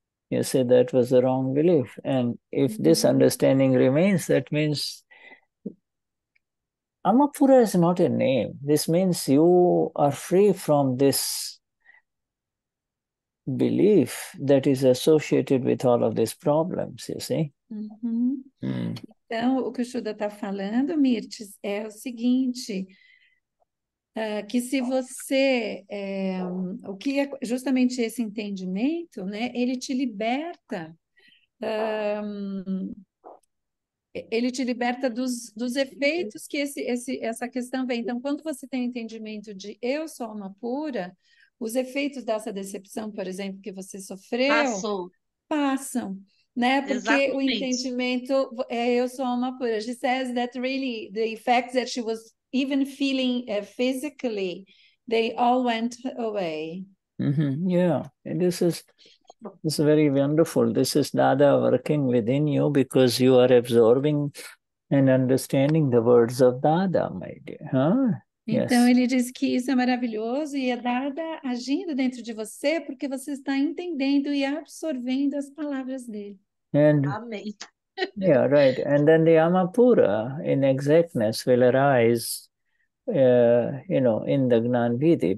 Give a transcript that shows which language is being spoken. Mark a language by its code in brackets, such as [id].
[en] You say that was the wrong belief. And if mm-hmm. this understanding remains, that means Amapura is not a name. This means you are free from this belief that is associated with all of these problems, you see? Uhum. Hum. [pt] Então, o que o Shuddha está falando, Mirtes, é o seguinte, que se você, o que é justamente esse entendimento, né, ele te liberta dos efeitos que essa questão vem. Então, quando você tem entendimento de eu sou uma pura, os efeitos dessa decepção, por exemplo, que você sofreu, passam. Né? Porque exatamente. O entendimento é eu sou uma pura. [en] She says that really the effects that she was even feeling physically, they all went away. Mm-hmm. Yeah, this is very wonderful. This is Dada working within you because you are absorbing and understanding the words of Dada, my dear. Huh? [pt] Então, yes. Ele diz que isso é maravilhoso e é Dada agindo dentro de você porque você está entendendo e absorvendo as palavras dele. [en] And, [pt] amém. [en] Yeah, right. And then the Amapura in exactness will arise, you know, in the Gnan Vidhi.